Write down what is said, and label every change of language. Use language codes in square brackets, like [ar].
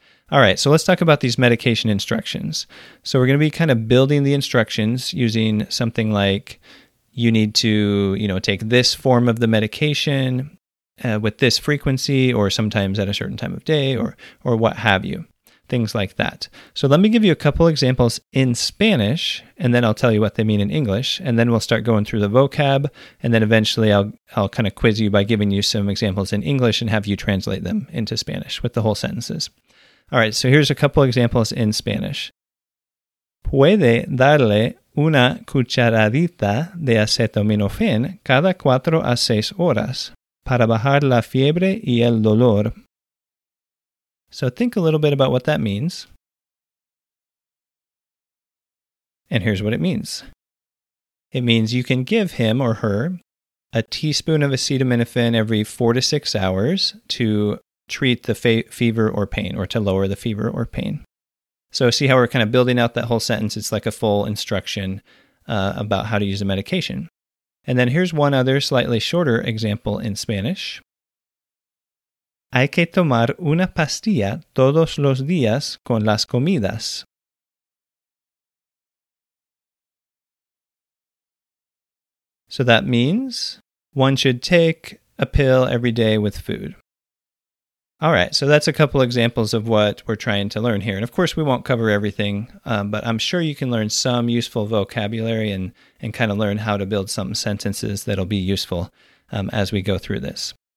[en] All right, so let's talk about these medication instructions. So we're going to be kind of building the instructions using something like, you need to, you know, take this form of the medication with this frequency or sometimes at a certain time of day or what have you. Things like that. So let me give you a couple examples in Spanish, and then I'll tell you what they mean in English, and then we'll start going through the vocab, and then eventually I'll kind of quiz you by giving you some examples in English and have you translate them into Spanish with the whole sentences. All right, so here's a couple examples in Spanish. [es] Puede darle una cucharadita de acetaminofén cada 4 a 6 horas para bajar la fiebre y el dolor. [en] So think a little bit about what that means. And here's what it means. It means you can give him or her a teaspoon of acetaminophen every 4 to 6 hours to treat the fever or pain or to lower the fever or pain. So see how we're kind of building out that whole sentence? It's like a full instruction about how to use a medication. And then here's one other slightly shorter example in Spanish. [es] Hay que tomar una pastilla todos los días con las comidas. [en] So that means one should take a pill every day with food. All right, so that's a couple examples of what we're trying to learn here. And of course, we won't cover everything, but I'm sure you can learn some useful vocabulary and kind of learn how to build some sentences that'll be useful as we go through this.